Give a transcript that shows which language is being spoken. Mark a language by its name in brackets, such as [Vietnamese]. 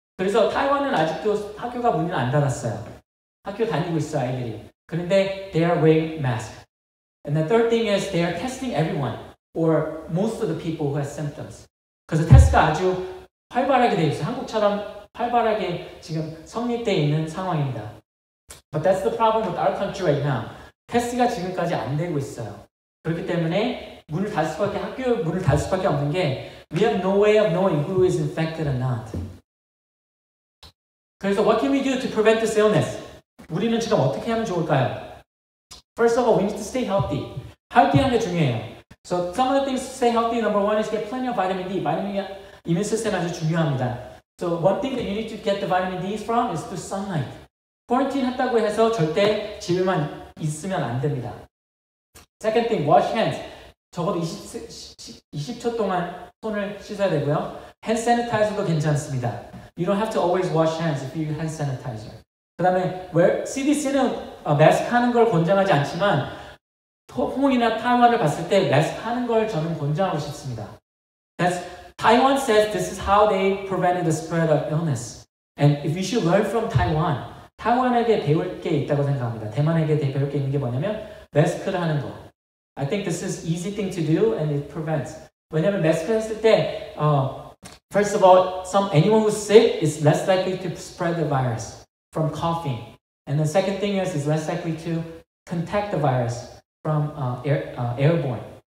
[Korean] 그래서 타이완은 아직도 학교가 문을 안 닫았어요. 학교 다니고 있어, 아이들이. [English] 그런데 they are wearing mask. And the third thing is they are testing everyone or most of the people who have symptoms. [Korean] 그래서 테스트가 아주 활발하게 되어 있어요. 한국처럼 활발하게 지금 성립되어 있는 상황입니다. [English] But that's the problem with our country right now. [Korean] 테스트가 지금까지 안 되고 있어요. 그렇기 때문에 문을 닫을 수밖에, 학교 문을 닫을 수밖에 없는 게 [English] We have no way of knowing who is infected or not. 그래서 what can we do to prevent this illness? [Korean] 우리는 지금 어떻게 하면 좋을까요? [English] First of all, we need to stay healthy. [Korean] 활기한 게 중요해요. [English] So some of the things to stay healthy, number one is get plenty of vitamin D. [Korean] 비타민 D 이민 시스템 아주 중요합니다. [English] So one thing that you need to get the vitamin D from is the sunlight. [Korean] 퀄런틴 했다고 해서 절대 집에만 있으면 안 됩니다. [English] Second thing, wash hands. [Korean] 적어도 20초 동안 손을 씻어야 되고요. Hand sanitizer도 괜찮습니다. [English] You don't have to always wash hands if you use hand sanitizer. [Korean] 그 다음에 CDC는 마스크 하는 걸 권장하지 않지만 홍콩이나 타이완을 봤을 때 마스크 하는 걸 저는 권장하고 싶습니다. [English] That's, Taiwan says this is how they prevented the spread of illness. And if we should learn from Taiwan, [Korean] 타이완에게 배울 게 있다고 생각합니다. 대만에게 배울 게 있는 게 뭐냐면 마스크를 하는 거. [English] I think this is easy thing to do and it prevents. [Korean] 왜냐면 마스크 했을 때 [English] first of all, anyone who's sick is less likely to spread the virus from coughing. And the second thing is less likely to contact the virus from airborne.